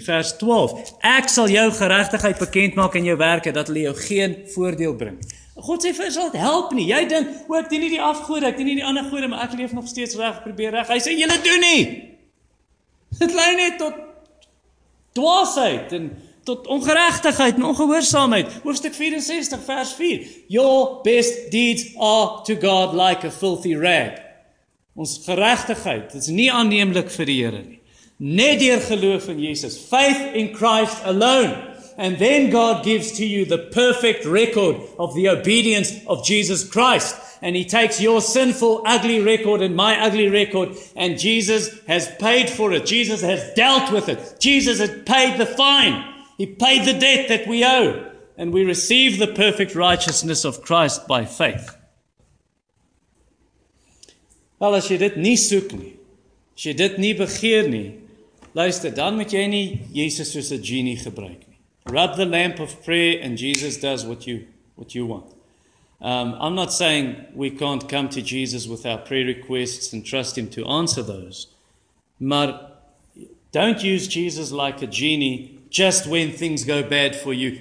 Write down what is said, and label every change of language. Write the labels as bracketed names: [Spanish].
[Afrikaans] Vers 12, ek sal jou geregtigheid bekend maak in jou werke, dat hulle jou geen voordeel bring. God sê vir jou, sal dit help nie, jy dink, o, ek dien nie die afgode, ek dien nie die ander gode, maar ek leef nog steeds reg, probeer reg, hy sê, julle doen nie, dit lei net tot dwaasheid, en tot ongeregtigheid en ongehoorsaamheid. Hoofstuk 64 vers 4. [English] Your best deeds are to God like a filthy rag. [Afrikaans] Ons geregtigheid is nie aanneemlik vir die Here nie. Net deur geloof in Jesus. [English] Faith in Christ alone. And then God gives to you the perfect record of the obedience of Jesus Christ. and he takes your sinful, ugly record and my ugly record, and Jesus has paid for it. Jesus has dealt with it. Jesus has paid the fine. He paid the debt that we owe. And we receive the perfect righteousness of Christ by faith. [Afrikaans] Wel, as jy dit nie soek nie, as jy dit nie begeer nie, luister, dan moet jy nie Jesus soos 'n genie gebruik nie. [English] Rub the lamp of prayer and Jesus does what you want. I'm not saying we can't come to Jesus with our prayer requests and trust him to answer those. Maar don't use Jesus like a genie just when things go bad for you.